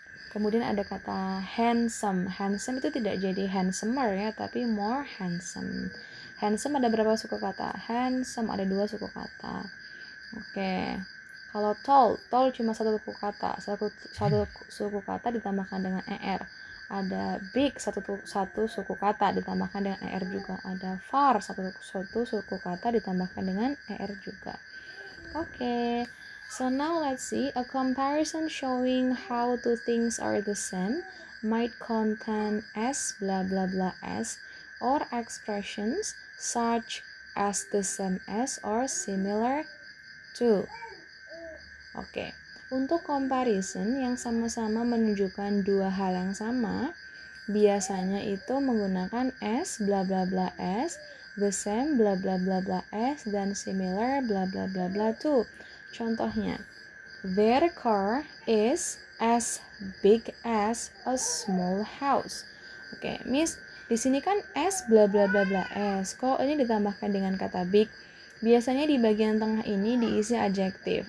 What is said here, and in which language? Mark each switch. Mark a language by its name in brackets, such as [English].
[Indonesian] Kemudian ada kata handsome. Handsome itu tidak jadi handsomer ya, tapi more handsome. Handsome ada berapa suku kata? Handsome ada dua suku kata. Okay. Kalau tall, tall cuma satu suku kata. Satu suku kata ditambahkan dengan er. Ada big, satu suku kata ditambahkan dengan er juga. Ada far, satu suku kata ditambahkan dengan er juga. Okay. [English] So now let's see, a comparison showing how two things are the same might contain as blah blah blah as, or expressions such as the same as or similar to. [Indonesian] Okay. Untuk comparison yang sama-sama menunjukkan dua hal yang sama, biasanya itu menggunakan as blah blah blah as, the same blah blah blah blah as, dan similar blah blah blah blah to. Contohnya, [English] their car is as big as a small house. [Indonesian] Okay, Miss, di sini kan as blah blah blah blah as. Kok ini ditambahkan dengan kata big? Biasanya di bagian tengah ini diisi adjektif.